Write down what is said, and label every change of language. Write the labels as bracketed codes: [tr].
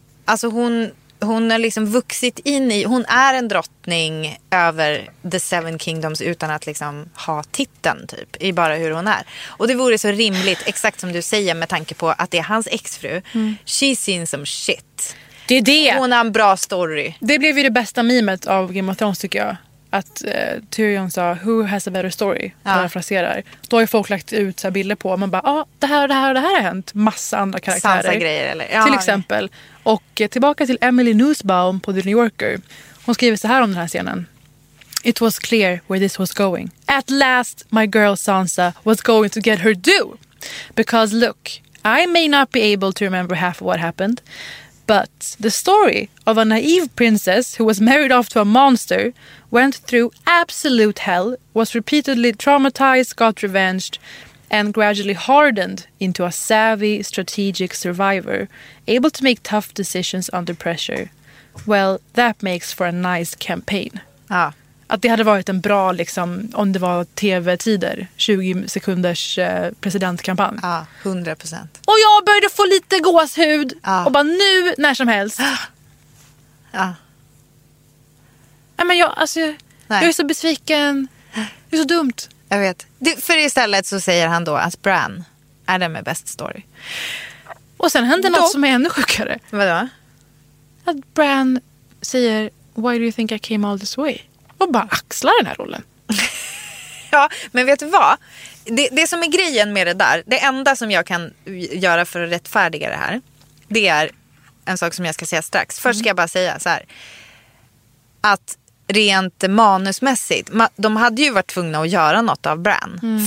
[sv] Alltså hon har liksom vuxit in i... Hon är en drottning över The Seven Kingdoms utan att liksom ha titeln, typ. I bara hur hon är. Och det vore så rimligt, exakt som du säger, med tanke på att det är hans exfru. Mm. [en] She's seen some shit. [sv] Det är det. Hon har en bra story. Det blev ju det bästa memet av Game of Thrones, tycker jag. Att Tyrion sa, [en] who has a better story? [sv] Parafraserar. Då har ju folk lagt ut så här bilder på. Man bara, det här har hänt. Massa andra karaktärer. Sansa-grejer, eller? Ja, till exempel... Och tillbaka till Emily Nussbaum på The New Yorker. Hon skriver så här om den här scenen. [en] It was clear where this was going. At last my girl Sansa was going to get her due. Because look, I may not be able to remember half of what happened. But the story of a naive princess who was married off to a monster, went through absolute hell, was repeatedly traumatized, got revenged... and gradually hardened into a savvy, strategic survivor, able to make tough decisions under pressure. Well, that makes for a nice campaign. Ah. [sv] Att det hade varit en bra, liksom, om det var tv-tider, 20 sekunders presidentkampanj. Ja, 100%. Och jag började få lite gåshud. Ja. Och bara nu, när som helst. Ja. Men jag, alltså, jag är så besviken. Det är så dumt. Jag vet. För istället så säger han då att Bran är den med [en] best story. [sv] Och sen händer något som är ännu sjukare. Vadå? Att Bran säger, [en] why do you think I came all this way? [sv] Och bara axlar den här rollen. Ja, men vet du vad? Det som är grejen med det där, det enda som jag kan göra för att rättfärdiga det här, det är en sak som jag ska säga strax. Först ska jag bara säga så här. Att rent manusmässigt, de hade ju varit tvungna att göra något av Bran. Mm.